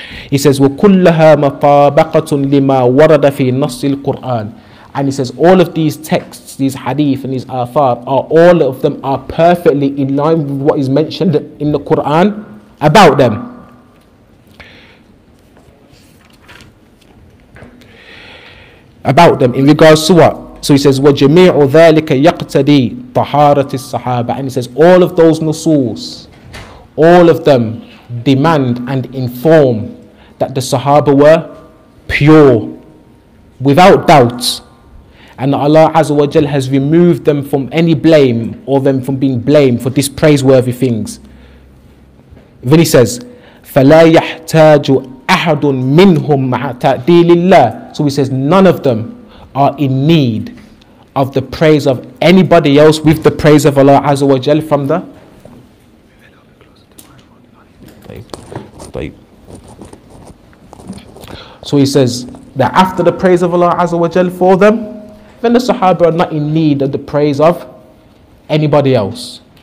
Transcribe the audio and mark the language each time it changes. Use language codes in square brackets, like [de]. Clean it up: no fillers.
[en] He says, [ar] وكلها مطابقة لما ورد في نص القرآن. [en] And he says, all of these texts, these hadith and these athar, all of them are perfectly in line with what is mentioned in the Quran about them. About them, in regards to what? So he says, [ar] وَجَمِيعُ ذَلِكَ يَقْتَدِي طَحَارَةِ الصَّحَابَةِ. [en] And he says, all of those nusus, all of them demand and inform that the Sahaba were pure, without doubt. And Allah Azza wa Jal has removed them from any blame or them from being blamed for these praiseworthy things. Then he says, [ar] فَلَا يَحْتَاجُ أَحَدٌ مِّنْهُمْ مَعَ تَعْدِيلِ اللَّهِ. [en] So he says, none of them are in need of the praise of anybody else with the praise of Allah Azza wa Jal from the... So he says that after the praise of Allah Azza wa Jal for them, then the Sahaba are not in need of the praise of anybody else.